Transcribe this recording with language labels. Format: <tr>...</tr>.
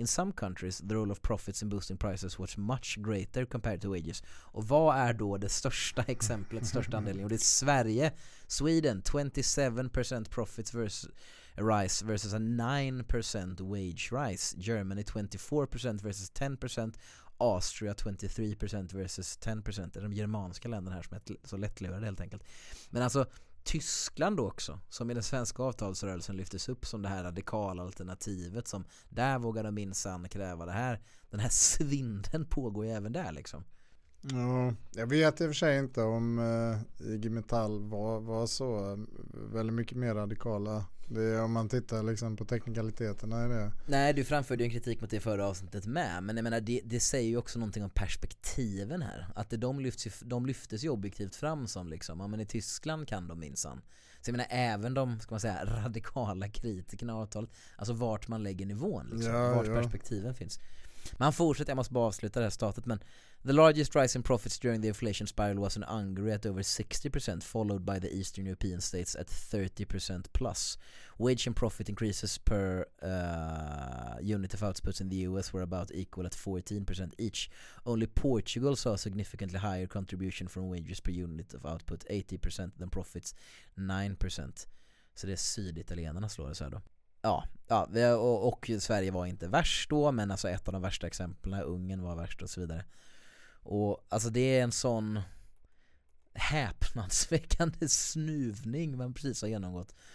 <en>In some countries, the role of profits in boosting prices was much greater compared to wages.</en> <sv>Och vad är då det största exemplet, största andelen? Och det är Sverige, Sweden,</sv> <en>27% profits rise versus a 9% wage rise. Germany, 24% versus 10%.</en> <sv>Austria 23% versus 10%. Det är de germanska länderna här som är så lättlurade helt enkelt. Men alltså Tyskland då också, som i den svenska avtalsrörelsen lyftes upp som det här radikala alternativet, som där vågar de minsann kräva det här. Den här svinden pågår ju även där liksom. Ja, jag vet i och för sig inte om IG Metall var så väldigt mycket mer radikala. Det är, om man tittar liksom på teknikaliteterna i det. Nej, du framförde ju en kritik mot det förra avsnittet med, men jag menar, det säger ju också någonting om perspektiven här. Att de lyftes ju objektivt fram som liksom, ja, men i Tyskland kan de minsann. Så jag menar, även de, ska man säga, radikala kritikerna av avtalet, alltså vart man lägger nivån liksom, ja, vart perspektiven finns. Man fortsätter, jag måste bara avsluta det här statet, men</sv> <en>the largest rise in profits during the inflation spiral was in Hungary at over 60%, followed by the Eastern European states at 30% plus. Wage and profit increases per unit of outputs in the US were about equal at 14% each. Only Portugal saw a significantly higher contribution from wages per unit of output, 80%, than profits, 9%.</en> <sv>Så det är syditalienarna slår det så här då. Ja, och Sverige var inte värst då, men alltså ett av de värsta exemplen, Ungern var värst och så vidare. Och alltså det är en sån häpnadsväckande snuvning man precis har genomgått.</sv>